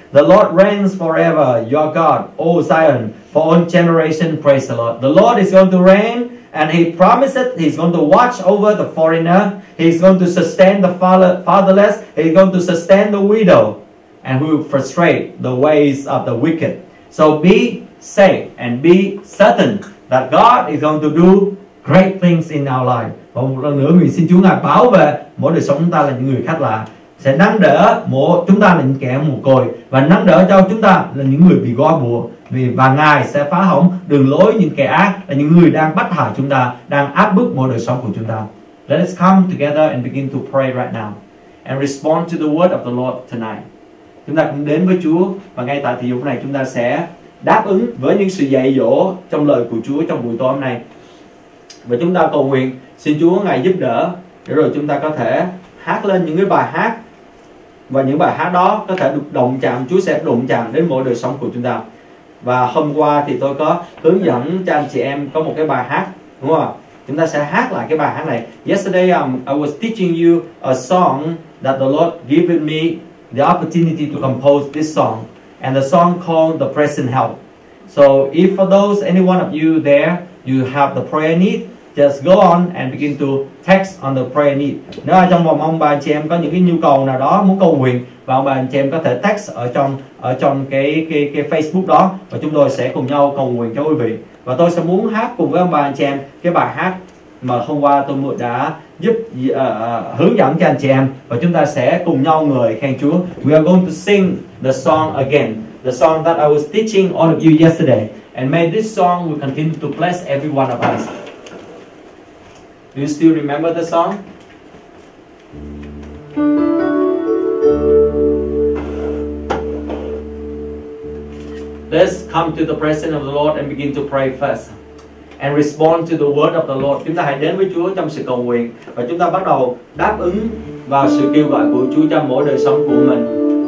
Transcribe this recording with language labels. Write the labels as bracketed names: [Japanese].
[English] The Lord reigns forever, your God, O Zion, for all generation. Praise the Lord. The Lord is going to reign, and He promised He's going to watch over the foreigner. He's going to sustain the fatherless. He's going to sustain the widow, and who frustrate the ways of the wicked. So be safe and be certain that God is going to do great things in our life. [Vietnamese] Và một lần nữa, mình xin Chúa Ngài bảo vệ mỗi đời sống chúng ta là những người khách lạ, sẽ nâng đỡ mỗi chúng ta là những kẻ mồ côi và nâng đỡ cho chúng ta là những người bị gói buộc, và Ngài sẽ phá hỏng đường lối những kẻ ác, là những người đang bắt hại chúng ta, đang áp bức mọi đời sống của chúng ta. [English] Let us come together and begin to pray right now and respond to the word of the Lord tonight. [Vietnamese] Chúng ta cũng đến với Chúa và ngay tại thời điểm này chúng ta sẽ đáp ứng với những sự dạy dỗ trong lời của Chúa trong buổi tối hôm nay. Và chúng ta cầu nguyện xin Chúa Ngài giúp đỡ để rồi chúng ta có thể hát lên những cái bài hát, và những bài hát đó có thể được động chạm, Chúa sẽ động chạm đến mỗi đời sống của chúng ta. Và hôm qua thì tôi có hướng dẫn cho anh chị em có một cái bài hát, đúng không? Chúng ta sẽ hát lại cái bài hát này. [English] Yesterday I was teaching you a song that the Lord given me the opportunity to compose this song, and the song called The Present Help. So if for those, any one of you there, you have the prayer need, just go on and begin to text on the prayer need. [Vietnamese] Nếu ở trong vòng ông bà anh chị em có những cái nhu cầu nào đó muốn cầu nguyện, và ông bà anh chị em có thể text ở trong cái Facebook đó, và chúng tôi sẽ cùng nhau cầu nguyện cho quý vị. Và tôi sẽ muốn hát cùng với ông bà anh chị em cái bài hát mà hôm qua tôi đã giúp hướng dẫn cho anh chị em, và chúng ta sẽ cùng nhau ngợi khen Chúa. [English] We are going to sing the song again, the song that I was teaching all of you yesterday, and may this song will continue to bless every one of us. Do you still remember the song? Let's come to the presence of the Lord and begin to pray first and respond to the word of the Lord. [Vietnamese] Chúng ta hãy đến với Chúa trong sự cầu nguyện và chúng ta bắt đầu đáp ứng vào sự kêu gọi của Chúa trong mỗi đời sống của mình.